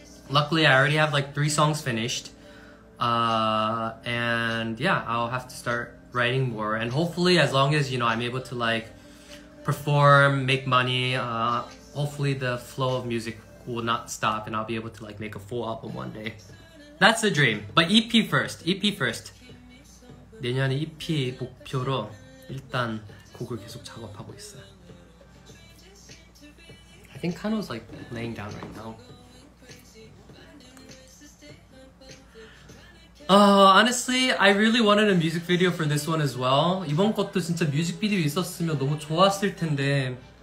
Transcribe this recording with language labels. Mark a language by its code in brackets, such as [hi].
[en] Luckily, I already have like 3 songs finished. And yeah, I'll have to start writing more. And hopefully, as long as, you know, I'm able to like perform, make money, hopefully the flow of music will not stop and I'll be able to like make a full album one day. That's the dream. But EP first. EP first. [ko] 내년에 EP 목표로 일단 곡을 계속 작업하고 있어요. [en] I think Kano's like laying down right now. Honestly, I really wanted a music video for this one as well. [ko] 이번 것도 진짜 뮤직비디오 있었으면 너무 좋았을 텐데.